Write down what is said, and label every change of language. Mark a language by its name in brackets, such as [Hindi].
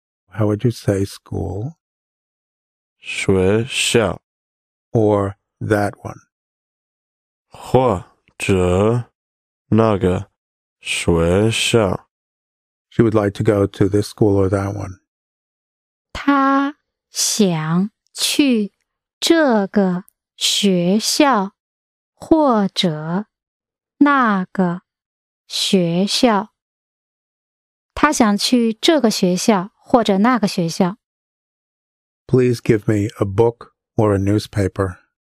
[English] How would you say school? [Chinese] 学校. [English] Or that one. [Chinese] 或者.那个学校. [English] She would like to go to this school or that one. [Chinese] 她想去这个学校或者那个学校. 她想去这个学校或者那个学校. [English] Please give me a book or a newspaper.